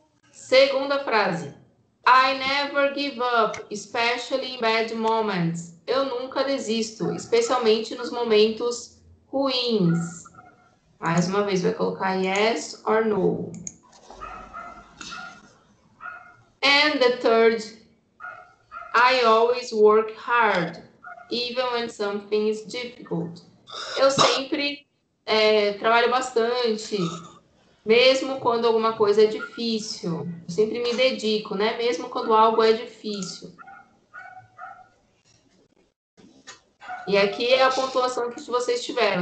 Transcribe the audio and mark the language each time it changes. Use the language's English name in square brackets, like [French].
[Portuguese] Segunda frase. [English] I never give up, especially in bad moments. [Portuguese] Eu nunca desisto, especialmente nos momentos ruins. Mais uma vez, vai colocar [English] yes or no. And the third, I always work hard, even when something is difficult. [Portuguese] Eu sempre trabalho bastante, mesmo quando alguma coisa é difícil. Eu sempre me dedico, né? Mesmo quando algo é difícil. E aqui é a pontuação que vocês tiveram.